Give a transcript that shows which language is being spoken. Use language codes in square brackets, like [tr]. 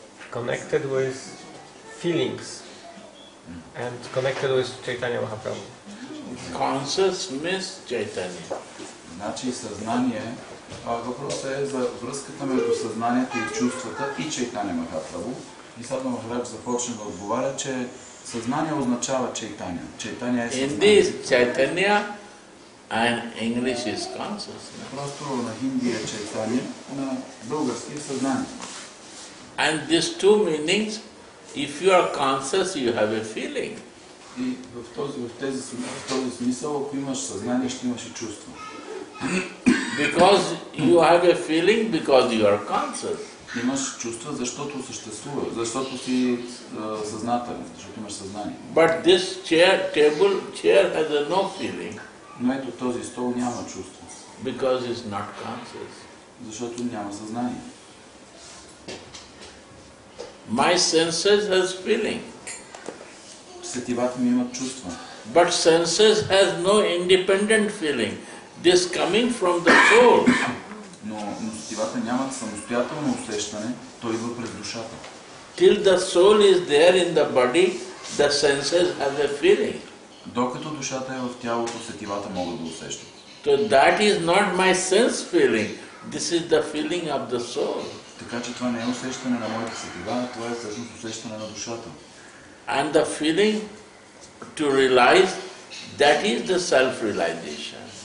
[en] Connected with feelings and connected with Chaitanya Mahaprabhu. Consciousness Chaitanya. [bg] Значи съзнание, въпросът е за връзката между съзнанието и чувствата и Чайтанья Махапрабху. И Садху Махарадж започне да отговаря, че съзнание означава Чайтанья. Чайтанья е [en] съзнание. In this Chaitanya and English is consciousness. [bg] Просто на хинди е Чайтанья, на български е съзнание. [en] And these two meanings, if you are conscious, you have a feeling. [bg] И в този смисъл, ако имаш съзнание, ще имаш и чувство. [en] Because you have a feeling because you are conscious. [bg] Имаш чувства, защото съществуваш, защото си съзнателен, защото имаш съзнание. [en] But this chair has no feeling. [bg] Но ето този стол няма чувство. [en] Because it's not conscious. [bg] Защото няма съзнание. [en] My senses has feeling. [bg] Сетивата ми имат чувства. [en] But senses has no independent feeling. This coming from the soul. [bg] Но сетивата нямат самостоятелно усещане, то идва през душата. [en] Till the soul is there in the body, the senses have a feeling. [bg] Докато душата е в тялото, сетивата могат да усещат. [en] So that is not my sense feeling. This is the feeling of the soul. [bg] Така че това не е усещане на моята сетива, това е всъщност усещане на душата. [en] And the feeling to realize, that is the self-realization.